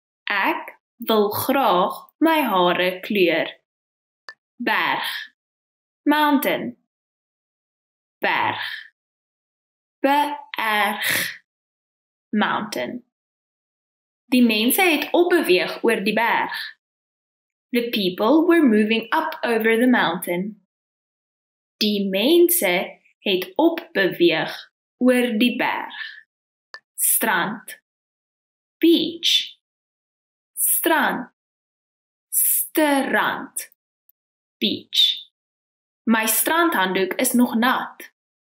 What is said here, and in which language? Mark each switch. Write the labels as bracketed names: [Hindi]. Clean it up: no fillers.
[Afrikaans] Ek wil graag my hare kleur. Berg. Mountain. Berg. Berg. Mountain. Die mense het opbeweeg oor die berg. [English] The people were moving up over the mountain. [Afrikaans] Die mense het opbeweeg oor die berg. Strand. Beach. Strand. Strand. Beach. My strandhanddoek is nog nat.